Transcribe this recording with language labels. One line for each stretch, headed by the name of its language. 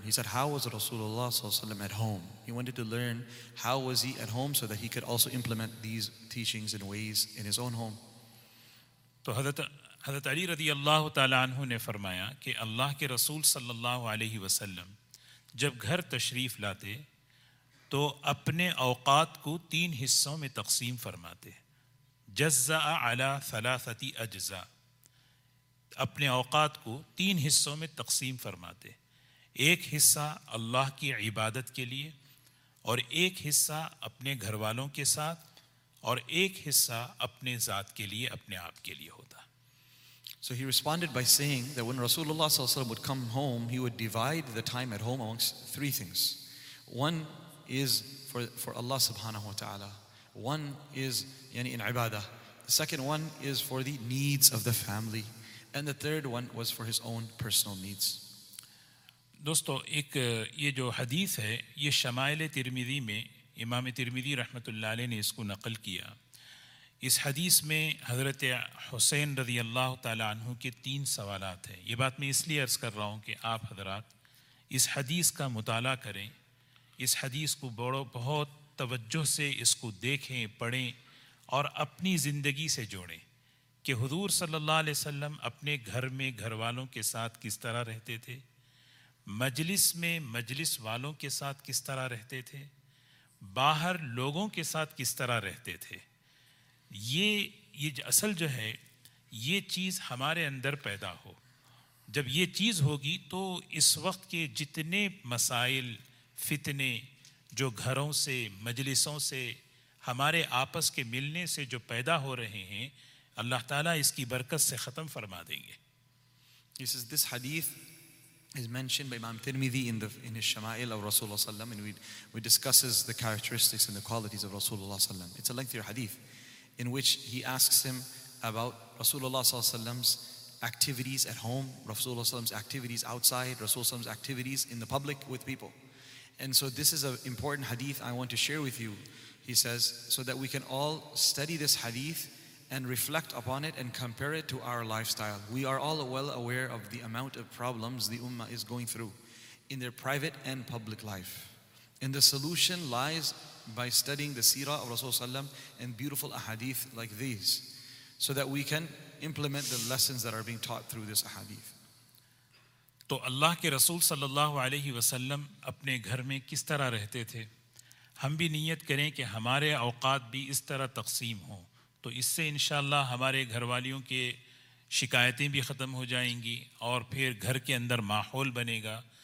English: He said, how was Rasulullah sallallahu alaihi wasallam at home? He wanted to learn how was he at home so that he could also implement these teachings and ways in his own home.
Urdu: تو حضرت علی رضی اللہ تعالی عنہ نے فرمایا کہ اللہ کے رسول صلی اللہ علیہ وسلم جب گھر تشریف لاتے تو اپنے اوقات کو تین حصوں میں تقسیم فرماتے.
Arabic: جزا علی ثلاثتی اجزا,
Urdu: اپنے اوقات کو تین حصوں میں تقسیم فرماتے. ایک حصہ اللہ کی عبادت کے لیے اور ایک حصہ اپنے گھر والوں کے ساتھ اور ایک حصہ اپنے ذات کے لیے اپنے آپ کے لیے ہوتا.
English: So he responded by saying that when Rasulullah sallallahu alaihi wasallam would come home, he would divide the time at home amongst three things. One is for Allah subhanahu wa ta'ala. One is yani in ibadah. The second one is for the needs of the family. And the third one was for his own personal needs.
Urdu: دوستو ایک یہ جو حدیث ہے یہ شمائل ترمذی میں امام ترمذی رحمت اللہ علیہ نے اس کو نقل کیا. اس حدیث میں حضرت حسین رضی اللہ تعالیٰ عنہ کے تین سوالات ہیں. یہ بات میں اس لیے عرض کر رہا ہوں کہ آپ حضرات اس حدیث کا مطالعہ کریں, اس حدیث کو بہت توجہ سے اس کو دیکھیں پڑھیں اور اپنی زندگی سے جوڑیں کہ حضور صلی اللہ علیہ وسلم اپنے گھر میں گھر والوں کے ساتھ کس طرح رہتے تھے, مجلس میں مجلس والوں کے ساتھ کس طرح رہتے تھے, باہر لوگوں کے ساتھ کس طرح رہتے تھے. یہ اصل جو ہے یہ چیز ہمارے اندر پیدا ہو. جب یہ چیز ہوگی تو اس وقت کے جتنے مسائل فتنے جو گھروں سے مجلسوں سے ہمارے آپس کے ملنے سے جو پیدا ہو رہے ہیں اللہ تعالیٰ اس کی برکت سے ختم فرما دیں گے.
English: This حدیث is mentioned by Imam Tirmidhi in his Shama'il of Rasulullah sallam, and we discusses the characteristics and the qualities of Rasulullah sallam. It's a lengthier hadith in which he asks him about Rasulullah sallam's activities at home, Rasulullah sallam's activities outside, Rasulullah sallam's activities in the public with people. And so this is an important hadith I want to share with you, he says, so that we can all study this hadith and reflect upon it and compare it to our lifestyle. We are all well aware of the amount of problems the Ummah is going through in their private and public life. And the solution lies by studying the seerah of Rasulullah ﷺ and beautiful ahadith like these, so that we can implement the lessons that are being taught through this ahadith.
Urdu: تو اللہ کے رسول صلی اللہ علیہ وسلم اپنے گھر میں کس طرح رہتے تھے, ہم بھی نیت کریں کہ ہمارے اوقات بھی اس طرح تقسیم ہوں, تو اس سے انشاءاللہ ہمارے گھر والیوں کے شکایتیں بھی ختم ہو جائیں گی اور پھر گھر کے اندر ماحول بنے گا.